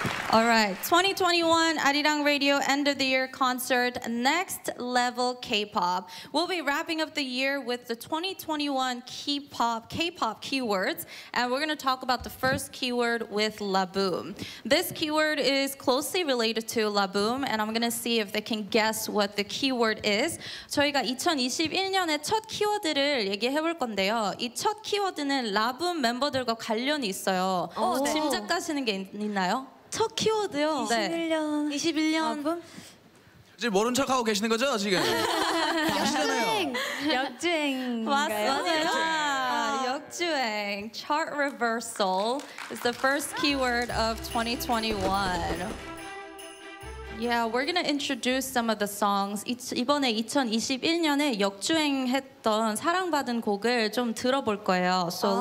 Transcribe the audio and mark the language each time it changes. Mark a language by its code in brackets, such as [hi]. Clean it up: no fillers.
[en] All right, 2021 Arirang Radio End of the Year Concert, Next Level K-Pop. We'll be wrapping up the year with the 2021 K-Pop keywords, and we're going to talk about the first keyword with LABOUM. This keyword is closely related to LABOUM, and I'm going to see if they can guess what the keyword is. [ko] 저희가 2021년의 첫 키워드를 얘기해볼 건데요. 이 첫 키워드는 LABOUM 멤버들과 관련이 있어요. 짐작하시는 게 있나요? 첫 키워드요? 21년 네. 21년 아, 지금 모른 척하고 계시는 거죠? 지금 역주행 역주행인가요? 맞아요 역주행 [en] Chart reversal is the first keyword of 2021 Yeah, we're gonna introduce some of the songs. [ko] 이번에 2021년에 역주행했던 사랑받은 곡을 좀 들어볼 거예요 So oh.